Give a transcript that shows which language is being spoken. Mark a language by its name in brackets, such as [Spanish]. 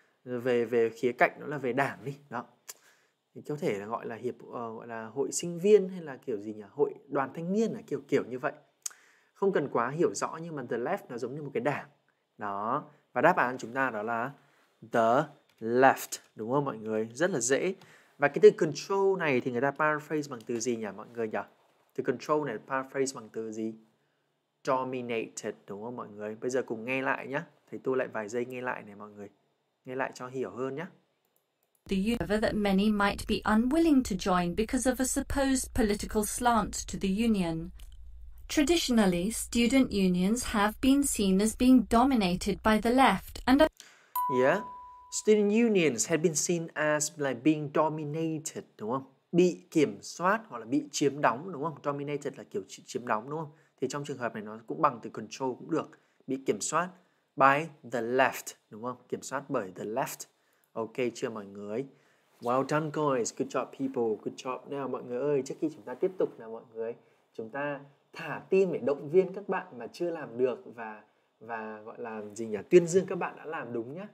[Vietnamese] Về khía cạnh nó là về đảng đi đó, thì có thể là gọi là gọi là hội sinh viên hay là kiểu gì nhỉ, hội đoàn thanh niên là kiểu như vậy, không cần quá hiểu rõ, nhưng mà the left nó giống như một cái đảng đó, và đáp án chúng ta đó là the left đúng không mọi người, rất là dễ. Và cái từ control này thì người ta paraphrase bằng từ gì nhỉ mọi người nhỉ? Từ control này paraphrase bằng từ gì? Dominated đúng không mọi người? Bây giờ cùng nghe lại nhá, thầy tôi lại vài giây nghe lại này mọi người. Nghe lại cho hiểu hơn nhé. [English] the university that many might be unwilling to join because of a supposed political slant to the union. Traditionally, student unions have been seen as being dominated by the left and Student unions have been seen as like being dominated, [Vietnamese] đúng không? Bị kiểm soát hoặc là bị chiếm đóng, đúng không? Dominated là kiểu chiếm đóng, đúng không? Thì trong trường hợp này nó cũng bằng từ control cũng được. Bị kiểm soát [English] by the left, [Vietnamese] đúng không? Kiểm soát bởi the left. Ok chưa mọi người? [English] Well done guys, good job people, good job. [Vietnamese] Nào mọi người ơi, trước khi chúng ta tiếp tục nào mọi người, chúng ta thả tim để động viên các bạn mà chưa làm được và gọi là gì nhỉ, tuyên dương các bạn đã làm đúng nhá.